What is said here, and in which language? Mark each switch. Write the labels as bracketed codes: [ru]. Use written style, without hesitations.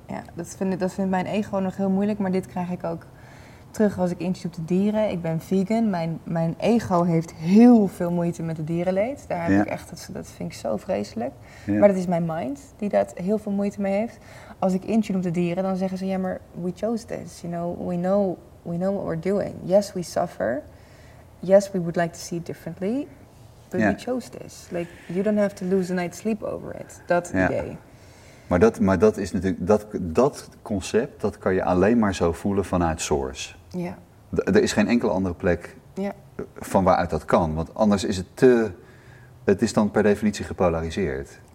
[nl] Ja, dat vindt mijn ego nog heel moeilijk, maar dit krijg ik ook terug als ik interview op de dieren. Ik ben vegan, mijn ego heeft heel veel moeite met de dierenleed. Daar heb ik echt, dat vind ik zo vreselijk. Ja. Maar dat is mijn mind die daar heel veel moeite mee heeft. Als ik intune op de dieren, dan zeggen ze, ja, maar [en] we chose this. You know, we know what we're doing. Yes, we suffer. Yes, we would like to see it differently. But we chose this. Like, you don't have to lose a night's sleep over it. [nl] Dat idee. Maar dat is natuurlijk, dat concept, dat kan je alleen maar zo voelen vanuit source. Ja. Er is geen enkele andere plek van waaruit dat kan. Want anders is het te, het is dan per definitie gepolariseerd.